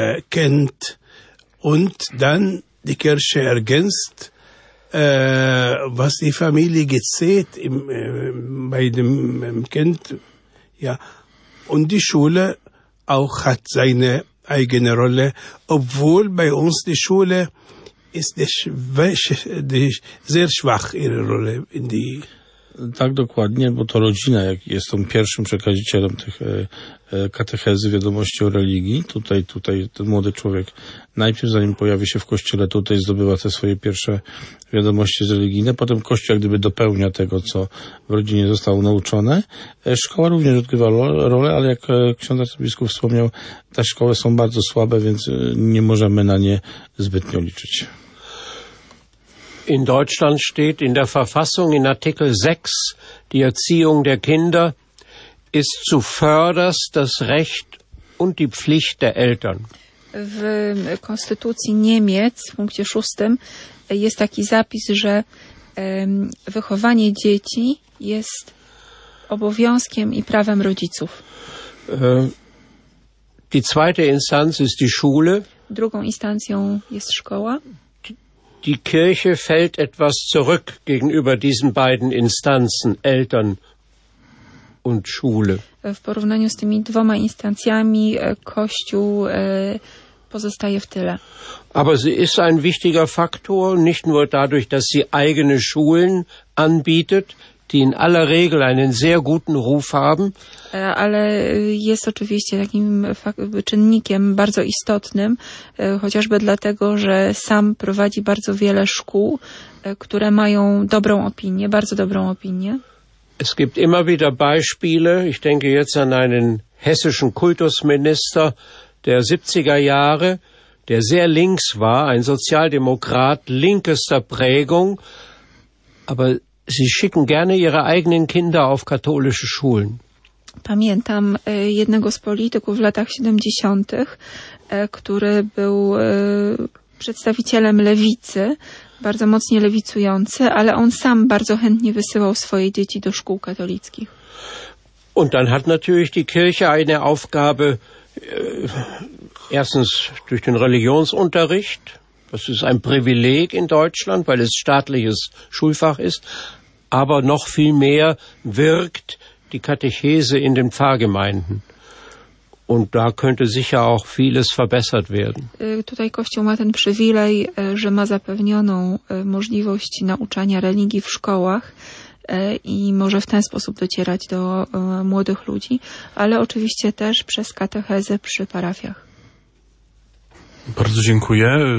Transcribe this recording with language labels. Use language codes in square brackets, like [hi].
[de] kennt und dann die Kirche ergänzt, was die Familie gezählt bei dem Kind. Ja, und die Schule auch hat seine eigene Rolle, obwohl bei uns die Schule ist sehr schwach ihre Rolle in die. [pl] Tak, dokładnie, bo to rodzina jest tą pierwszym przekazicielem tych katechezy, wiadomości o religii. Tutaj ten młody człowiek najpierw, zanim pojawi się w kościele, tutaj zdobywa te swoje pierwsze wiadomości z religijne. Potem kościół jak gdyby dopełnia tego, co w rodzinie zostało nauczone. Szkoła również odgrywa rolę, ale jak ksiądz arcybiskup wspomniał, te szkoły są bardzo słabe, więc nie możemy na nie zbytnio liczyć. [de] in Deutschland steht in der Verfassung in Artikel 6, die Erziehung der Kinder ist zuvörderst das Recht und die Pflicht der Eltern. [pl] W konstytucji Niemiec w punkcie 6 jest taki zapis, że wychowanie dzieci jest obowiązkiem i prawem rodziców. [de] Die zweite Instanz ist die Schule. [pl] Drugą instancją jest szkoła. [de] Die Kirche fällt etwas zurück gegenüber diesen beiden Instanzen, Eltern und Schule. [pl] W porównaniu z tymi dwoma instancjami Kościół pozostaje w tyle. [de] Aber sie ist ein wichtiger Faktor, nicht nur dadurch, dass sie eigene Schulen anbietet, die in aller Regel einen sehr guten Ruf haben. [pl] Ale jest oczywiście takim czynnikiem bardzo istotnym, chociażby dlatego, że sam prowadzi bardzo wiele szkół, które mają dobrą opinię, bardzo dobrą opinię. [de] Es gibt immer wieder Beispiele, ich denke jetzt an einen hessischen Kultusminister der 70er Jahre, der sehr links war, ein Sozialdemokrat linkester Prägung, aber sie schicken gerne ihre eigenen Kinder auf katholische Schulen. [pl] Pamiętam jednego z polityków w latach 70., który był przedstawicielem lewicy, bardzo mocnie lewicujący, ale on sam bardzo chętnie wysyłał swoje dzieci do szkół katolickich. [de] Und dann hat natürlich die Kirche eine Aufgabe, erstens durch den Religionsunterricht, das ist ein Privileg in Deutschland, weil es staatliches Schulfach ist, aber noch viel mehr wirkt die Katechese in den Pfarrgemeinden. Und da könnte sicher auch vieles verbessert werden. [pl] Tutaj Kościół ma ten przywilej, że ma zapewnioną możliwość nauczania religii w szkołach i może w ten sposób docierać do młodych ludzi, ale oczywiście też przez katechezę przy parafiach. Bardzo dziękuję.